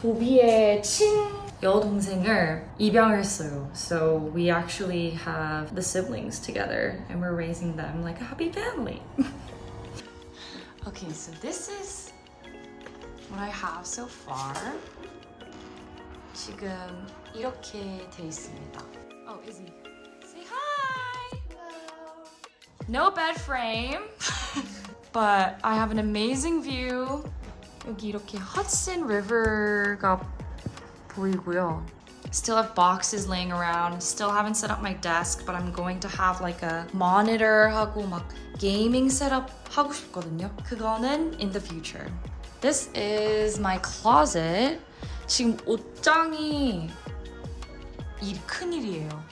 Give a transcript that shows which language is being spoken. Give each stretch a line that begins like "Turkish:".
Korean: 도비의 친 여동생을 입양했어요.
English: So we actually have the siblings together and we're raising them like a happy family. Okay, so this is what I have so far.
Korean: 지금 이렇게 돼 있습니다.
English: Oh, Izzy. Say hi! Hello. No bed frame, but I have an amazing view.
Korean: 여기 이렇게 Hudson River가 보이고요.
English: Still have boxes laying around. Still haven't set up my desk, but I'm going to have like a monitor
Korean: 하고 막
English: gaming setup
Korean: 하고 싶거든요. 그거는
English: in the future. This is my closet.
Korean: 지금 옷장이 일 큰일이에요.